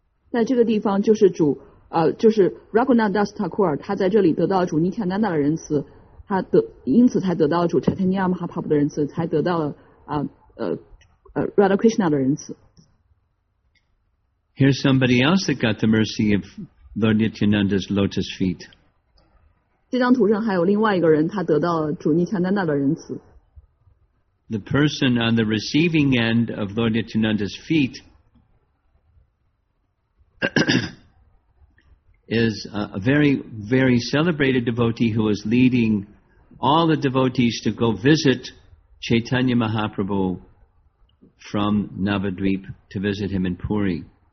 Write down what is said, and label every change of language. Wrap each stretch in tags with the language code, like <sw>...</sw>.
<zh>在这个地方就是主就是 Raghunath Das Thakur 他在这里得到主 Nityananda 的仁慈，他得因此才得到主 Chaitanya Mahaprabhu 的仁慈，才得到Radha Krishna 的仁慈。</zh> <en>Here's somebody else that got the mercy of Lord Nityananda's lotus feet.</en> <zh>这张图上还有另外一个人，他得到了主尼强丹娜的仁慈。</zh> <en>The person on the receiving end of Lord Nityananda's feet is a very, very celebrated devotee who is leading all the devotees to go visit Chaitanya Mahaprabhu from Navadvipa to visit him in Puri.</en>